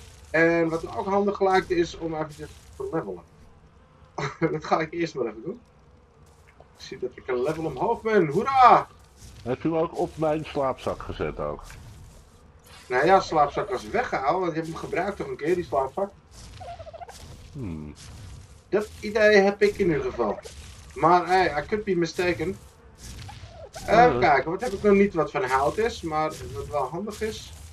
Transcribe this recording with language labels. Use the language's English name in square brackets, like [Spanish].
[Dutch] En wat ook handig lijkt is om even te levelen. Dat ga ik eerst maar even doen. Ik zie dat ik een level omhoog ben, hoera! Heb je hem ook op mijn slaapzak gezet ook? Nou ja, slaapzak was weggehaald, want je hebt hem gebruikt toch een keer, die slaapzak? Dat idee heb ik in ieder geval. [English] Maar hey, I could be mistaken. [Dutch] Even kijken, wat heb ik nog niet wat van hout is, maar wat wel handig is.